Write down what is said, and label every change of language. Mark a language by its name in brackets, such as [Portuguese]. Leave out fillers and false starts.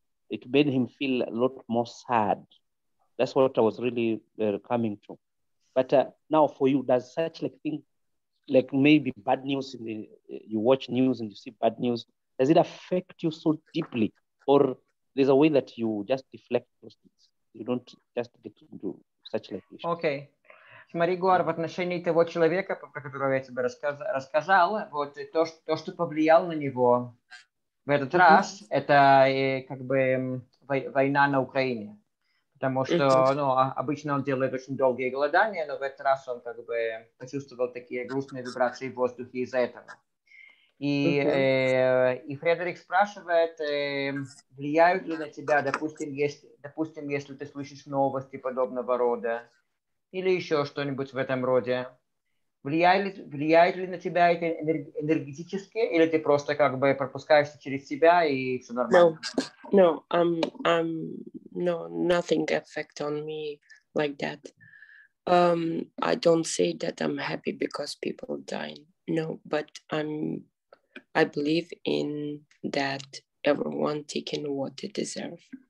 [English] It made him feel a lot more sad. That's what I was really coming to. But now for you, does such like thing, like maybe bad news, in the, you watch news and you see bad news, does it affect you so deeply? Or there's a way that you just deflect those things? You don't just get into such like issues. Okay. [Russian] Смотри, Гуар, в отношении того человека, про которого я тебе рассказал, вот то, что повлияло на него в этот mm-hmm. раз, это как бы война на Украине. Потому что ну, обычно он делает очень долгие голодания, но в этот раз он как бы почувствовал такие грустные вибрации в воздухе из-за этого. И, и Фредерик спрашивает, влияют ли на тебя, допустим, если ты слышишь новости подобного рода, или еще что-нибудь в этом роде. Влияет ли на тебя это энергетически, или ты просто как бы пропускаешься через себя и все нормально? [English] No, no, nothing affect on me like that. I don't say that I'm happy because people dying. No, but I believe in that everyone taking what they deserve.